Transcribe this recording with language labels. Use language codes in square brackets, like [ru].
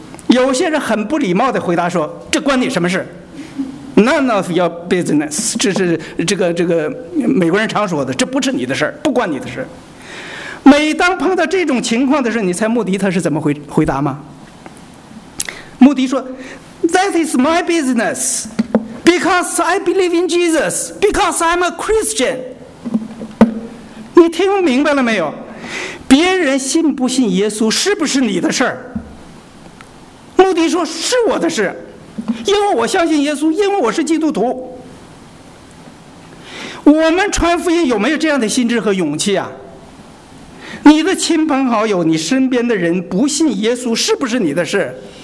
[zh] 有些人很不礼貌地回答说：“这关你什么事？” [en] None of your business， [zh] 这是这个美国人常说的，这不是你的事，不关你的事。每当碰到这种情况的时候，你猜穆迪他是怎么回答吗？穆迪说 [en] ：“That is my business。” Because I believe in Jesus, because I'm a Christian. [zh] 你听明白了没有？别人信不信耶稣是不是你的事儿？穆迪说是我的事，因为我相信耶稣，因为我是基督徒。我们传福音有没有这样的心智和勇气啊？你的亲朋好友，你身边的人不信耶稣是不是你的事？